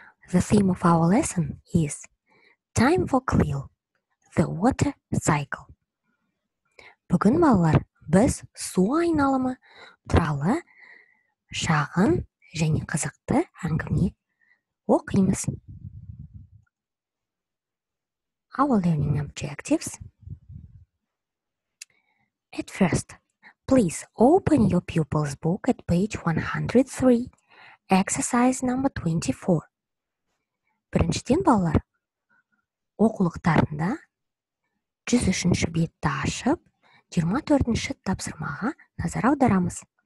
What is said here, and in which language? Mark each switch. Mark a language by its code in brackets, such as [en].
[en] The theme of our lesson is Time for Clil, the Water Cycle. [kk] Bugün balalar, biz su айналымы туралы шағын және қызықты әңгіме оқимыз. [en] Our learning objectives. At first, please open your pupil's book at page 103, exercise number 24. [kk] Біріншіден, балалар, оқулықтарында 103-ші бетті ашып, 24-ші тапсырмаға назар аударамыз.